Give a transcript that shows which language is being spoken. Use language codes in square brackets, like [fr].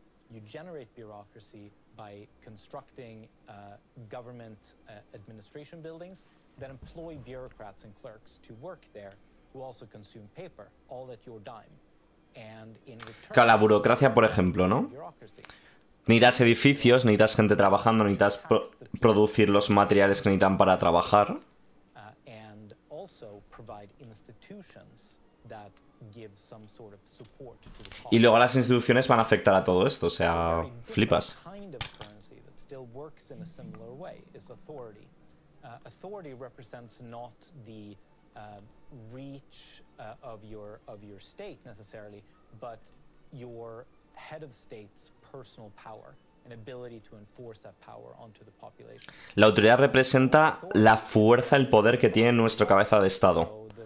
[en] You generate bureaucracy by constructing government administration buildings that employ bureaucrats and clerks to work there, who also consume paper, all at your dime. And in return, [es] claro, la burocracia, por ejemplo, ¿no? Necesitas edificios, necesitas gente trabajando, necesitas producir los materiales que necesitan para trabajar. [en] And also provide institutions that give some sort of support to the [es] y luego las instituciones van a afectar a todo esto, o sea, flipas. [en] Kind of currency that still works in a similar way is authority. Authority represents not the reach of your state necessarily, but your head of state's personal power and ability to enforce that power onto the population. [es] La autoridad representa la fuerza, el poder que tiene nuestro cabeza de estado.